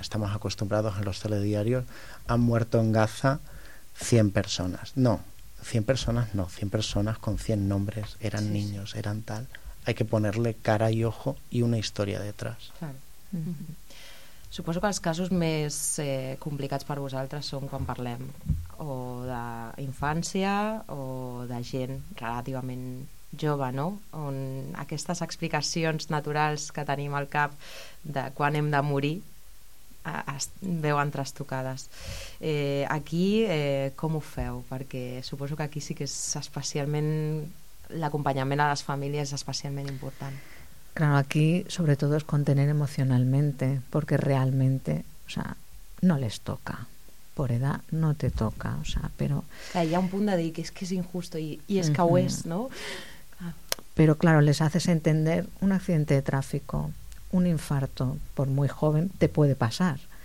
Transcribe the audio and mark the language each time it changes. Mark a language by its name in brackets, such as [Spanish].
[Spanish] Estamos acostumbrados en los telediarios, han muerto en Gaza 100 personas. No, 100 personas no, 100 personas con 100 nombres, eran niños, eran tal. Hay que ponerle cara y ojo y una historia detrás. [Catalan] Suposo que els casos més complicats per vosaltres són quan parlem o d'infància o de gent relativament jove, no? On aquestes explicacions naturals que tenim al cap de quan hem de morir veuen trastocades. Aquí, com ho feu? Perquè suposo que aquí sí que és especialment... L'acompanyament a les famílies és especialment important. [Spanish] Claro, aquí sobre todo es contener emocionalmente, porque realmente, o sea, no les toca. Por edad no te toca, o sea, pero... Claro, hay un punto de decir que es injusto y es que es, ¿no? Pero claro, les haces entender un accidente de tráfico, un infarto, por muy joven, te puede pasar.